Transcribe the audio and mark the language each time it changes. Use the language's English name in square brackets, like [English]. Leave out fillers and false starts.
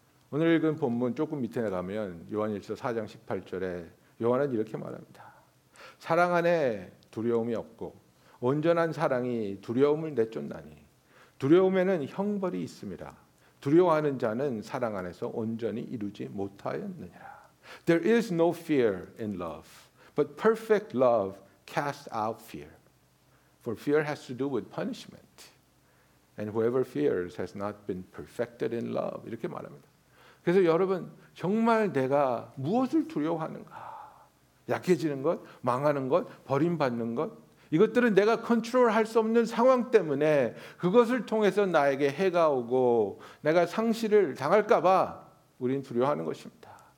[Korean] 오늘 읽은 본문 조금 밑에 가면 요한일서 4장 18절에 요한은 이렇게 말합니다. 사랑 안에 두려움이 없고 온전한 사랑이 두려움을 내쫓나니 두려움에는 형벌이 있음이라. 두려워하는 자는 사랑 안에서 온전히 이루지 못하였느니라. [English] There is no fear in love, but perfect love casts out fear. For fear has to do with punishment. And whoever fears has not been perfected in love. [Korean] 이렇게 말합니다. 그래서 여러분, 정말 내가 무엇을 두려워하는가? 약해지는 것, 망하는 것, 버림받는 것, 이것들은 내가 컨트롤할 수 없는 상황 때문에 그것을 통해서 나에게 해가 오고 내가 상실을 당할까 봐 우린 두려워하는 것입니다.